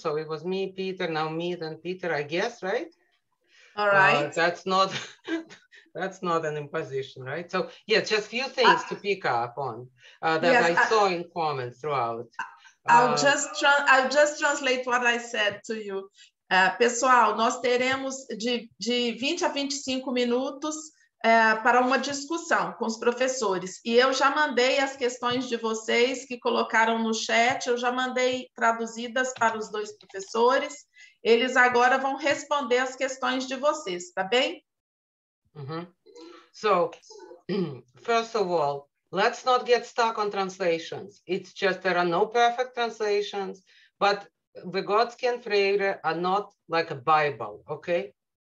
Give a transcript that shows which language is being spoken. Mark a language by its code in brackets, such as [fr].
[en] So it was me, Peter, now me, then Peter, I guess, right? All right. That's not an imposition, right? So yeah, just a few things to pick up on that I saw in comments throughout. I'll just translate what I said to you. [pt] Pessoal, nós teremos de 20 a 25 minutos para uma discussão com os professores. E eu já mandei as questões de vocês que colocaram no chat, eu já mandei traduzidas para os dois professores. Eles agora vão responder as questões de vocês, tá bem? Uhum. [en] So, first of all, let's not get stuck on translations. It's just there are no perfect translations, but Vygotsky and Freire are not like a Bible, okay?